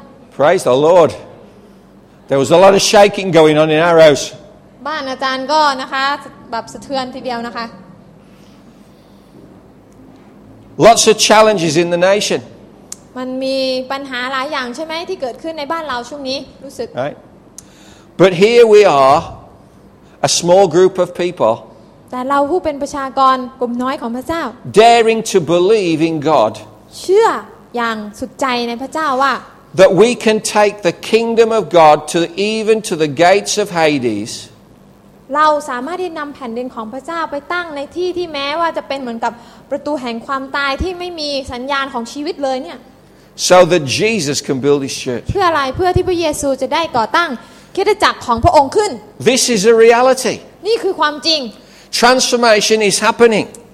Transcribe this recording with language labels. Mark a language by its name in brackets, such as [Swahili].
[English] Praise the Lord. There was a lot of shaking going on in our house. [Thai] บ้านอาจารย์ก็นะคะแบบสะเทือนทีเดียวนะคะ [English] Lots of challenges in the nation. [Thai] มันมีปัญหาหลายอย่างใช่ไหมที่เกิดขึ้นในบ้านเราช่วงนี้รู้สึก [English] Right. But here we are, a small group of people. [Thai] แต่เราผู้เป็นประชากรกลุ่มน้อยของพระเจ้า [English] daring to believe in God [Thai] เชื่ออย่างสุดใจในพระเจ้าว่า [English] that we can take the kingdom of God to even to the gates of Hades [Thai] เราสามารถที่นำแผ่นดินของพระเจ้าไปตั้งในที่ที่แม้ว่าจะเป็นเหมือนกับประตูแห่งความตายที่ไม่มีสัญญาณของชีวิตเลยเนี่ย [English] so that Jesus can build His church [Thai] เพื่ออะไรเพื่อที่พระเยซูจะได้ก่อตั้งคริสตจักรของพระองค์ขึ้น [English] this is a reality [Thai] นี่คือความจริง [English] Transformation is happening.